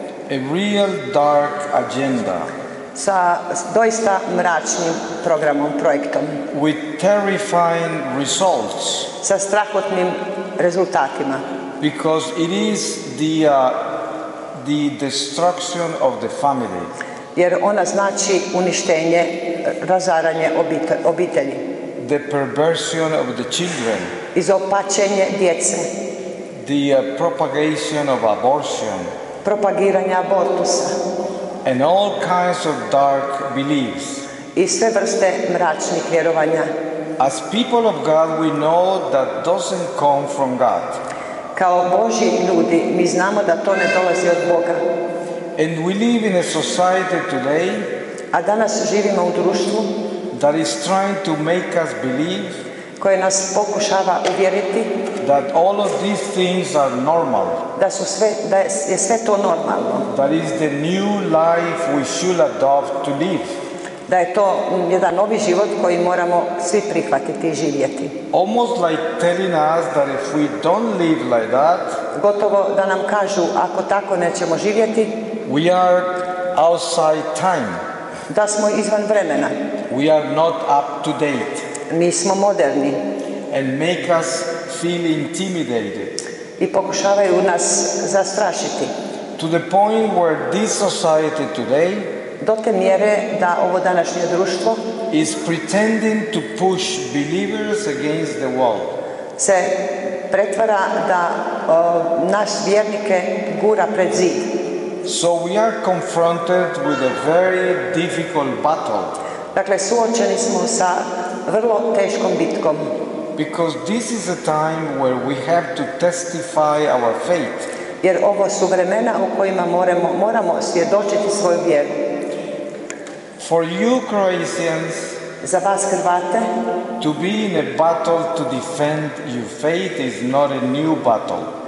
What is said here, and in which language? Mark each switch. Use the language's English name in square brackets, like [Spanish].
[English] A real dark agenda. [Croatian] Sa doista mračnim programom, projektom. [English] With terrifying results. [Croatian] Sa strahotnim rezultatima. [English] Because it is the destruction of the family. [Croatian] Jer ona znači uništenje, razaranje obitelji. [English] The perversion of the children. [Croatian] Izopačenje djece. [English] The propagation of abortion. [Croatian] Propagiranje abortusa. [English] And all kinds of dark beliefs. [Croatian] I sve vrste mračnih vjerovanja. [English] As people of God, we know that doesn't come from God. [Croatian] Kao Božji ljudi, mi znamo da to ne dolazi od Boga. [English] And we live in a society today. [Croatian] A danas živimo u društvu [English] that is trying to make us believe [Croatian] koje nas pokušava uvjeriti [English] that all of these things are normal. [Croatian] Da su sve, da je sve to normalno. [English] That is the new life we should adopt to live. [Croatian] Da je to jedan novi život koji moramo svi prihvatiti i živjeti. [English] Almost like telling us that if we don't live like that, [Croatian] gotovo da nam kažu ako tako nećemo živjeti, [English] we are outside time. [Croatian] Da smo izvan vremena. [English] We are not up to date. [Croatian] Nismo moderni. [English] And make us feel intimidated. [Croatian] I pokušavaju nas zastrašiti. [English] To the point where this society today [Croatian] do te mjere da ovo današnje društvo [English] is pretending to push believers against the wall. [Croatian] Se pretvara da naš vjernike gura pred zid. [English] So we are confronted with a very difficult battle. [Croatian] Dakle, suočeni smo sa vrlo teškom bitkom. [English] Because this is a time where we have to testify our faith. [Croatian] Jer ovo su vremena u kojima moramo svjedočiti svoju vjeru. [English] For you Croatians, [Croatian] za vas Hrvate, [English] to be in a battle to defend your faith is not a new battle.